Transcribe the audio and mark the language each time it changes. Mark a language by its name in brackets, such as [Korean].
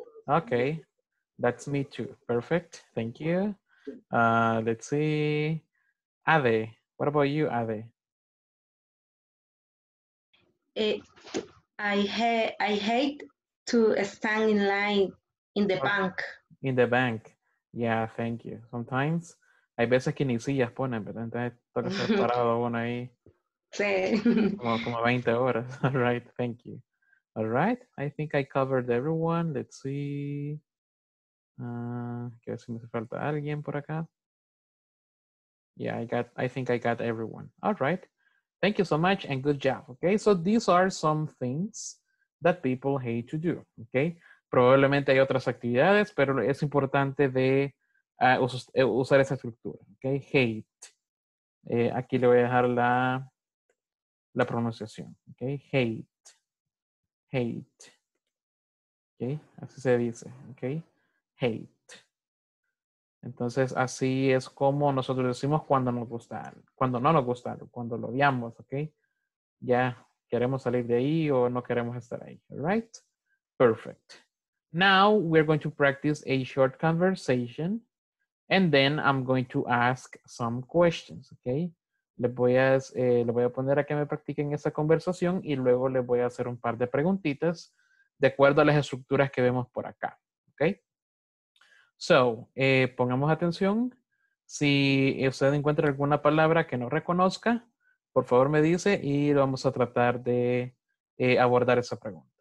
[English] Okay, that's me too. Perfect, thank you. Let's see, Ade. What about you, Ade? I hate to stand in line in the bank. In the bank, yeah, thank you. [Spanish] Sometimes, hay veces que ni sillas ponen, pero entonces toca estar parado uno ahí. Sí. como 20 horas. [English] All right, thank you. All right, I think I covered everyone. Let's see. [Spanish] Quiero ver si me hace falta alguien por acá. [English] Yeah, I think I got everyone. All right, thank you so much and good job. Okay, so these are some things that people hate to do. [Spanish] Okay, probablemente hay otras actividades, pero es importante de usar esa estructura. Okay, hate. Aquí le voy a dejar la pronunciación, okay, hate, okay, así se dice, okay, hate. Entonces así es como nosotros decimos cuando nos gusta, cuando no nos gusta, cuando lo odiamos, okay, ya queremos salir de ahí o no queremos estar ahí, right? [English] Perfect. Now we're going to practice a short conversation, and then I'm going to ask some questions, okay? [Spanish] Les voy a poner a que me practiquen esa conversación y luego les voy a hacer un par de preguntitas de acuerdo a las estructuras que vemos por acá, ¿ok? So, pongamos atención. Si usted encuentra alguna palabra que no reconozca, por favor me dice y vamos a tratar de abordar esa pregunta.